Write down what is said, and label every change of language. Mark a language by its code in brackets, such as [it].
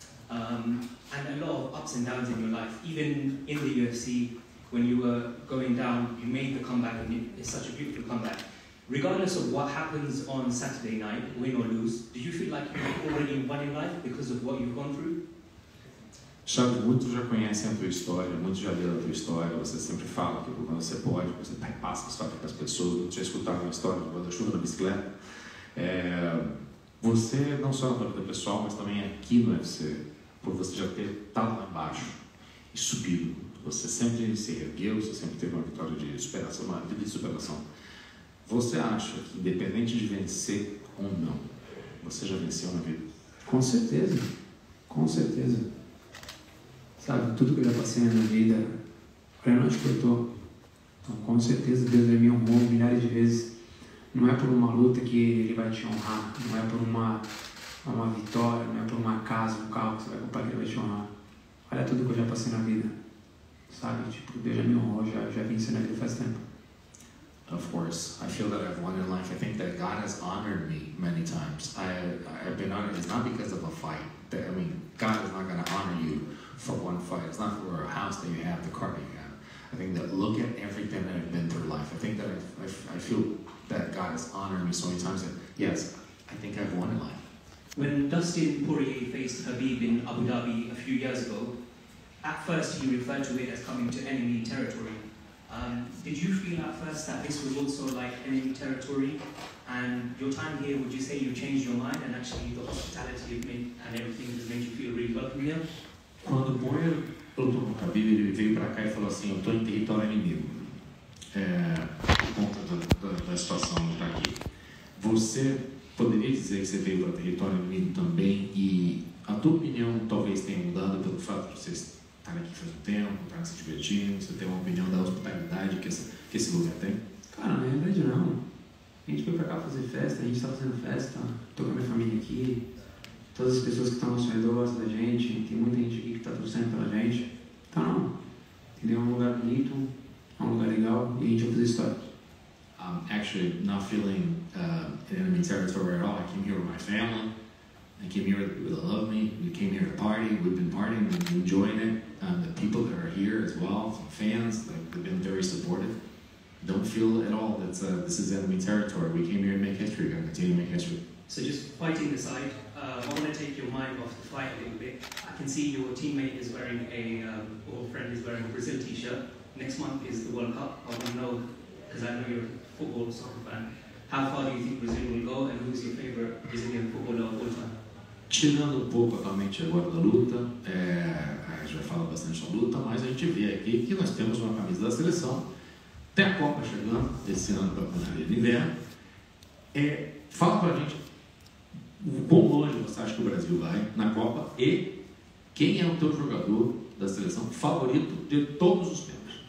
[en] And a lot of ups and downs in your life. Even in the UFC, when you were going down, you made the comeback, and it's such a beautiful comeback. Regardless of what happens on Saturday night, win or lose, do you feel like you've already won in life because of what you've gone through? [pt] Chaves, muitos já conhecem a tua história, muitos já leram a tua história, você sempre fala que quando você pode, você passa a história para as pessoas, muitos já escutaram a história do guarda-chuva na bicicleta. Você não só na tua vida pessoal, mas também aqui no UFC, por você já ter estado lá embaixo e subido, você sempre se ergueu, você sempre teve uma vitória de superação, uma vida de superação. Você acha que independente de vencer ou não, você já venceu na vida? Com certeza, com certeza. Sabe, tudo que eu já passei na minha vida, para onde que eu tô? Então, com certeza, Deus me honrou milhares de vezes. Não é por uma luta que Ele vai te honrar, não é por uma vitória, não é por uma casa, um carro que você vai comprar que Ele vai te honrar. Olha tudo que eu já passei na vida, sabe? Tipo, Deus já me honrou, já venci na vida faz tempo. [en] Of course, I feel that I've won in life. I think that God has honored me many times. I've been honored. It's not because of a fight. God is not going to honor you for one fight. It's not for a house that you have, the car that you have. I think that look at everything that I've been through life. I think that I feel that God has honored me so many times that, yes, I think I've won in life. When Dustin Poirier faced Khabib in Abu Dhabi a few years ago, at first he referred to it as coming to enemy territory. Did you feel at first that this was also like enemy territory, and your time here, would you say you changed your mind and actually the hospitality and everything has made you feel really welcome here? [pt] Quando Poirier lutou com Khabib, ele veio para cá e falou assim, eu estou em território inimigo, por conta da situação que está aqui. Você poderia dizer que você veio para território inimigo também, e a tua opinião talvez tenha mudado pelo fato de você estar aqui faz um tempo, estar se divertindo, você tem uma opinião da hospitalidade que esse lugar tem? Cara, não é verdade não. A gente veio para cá fazer festa, a gente está fazendo festa, estou com a minha família aqui. Todas as pessoas que estão ao seu redor gostam da gente, tem muita gente aqui que está torcendo pela gente. Então não, entendeu? É um lugar bonito, é um lugar legal e a gente vai fazer história. [en] Actually, not feeling in enemy territory at all. I came here with my family. I came here with a love me. We came here to party. We've been partying, we've been enjoying it. The people that are here as well, some fans, like, they've been very supportive. Don't feel at all that this is enemy territory. We came here to make history. We're going to continue to make history. So just fighting aside, I want to take your mind off the fight a little bit. I can see your teammate is wearing or friend is wearing a Brazil t-shirt. Next month is the World Cup. I want to know, because I know you're a football soccer fan, how far do you think Brazil will go and who's your favorite Brazilian footballer of all time? [pt] Tirando um pouco a mente agora da luta, a gente vai falar bastante sobre luta, mas a gente vê aqui que nós temos uma camisa da seleção. Tem a Copa chegando esse ano para a Panaria de Inverno. Fala pra gente. Quão longe você acha que o Brasil vai na Copa e quem é o teu jogador da seleção favorito de todos os tempos?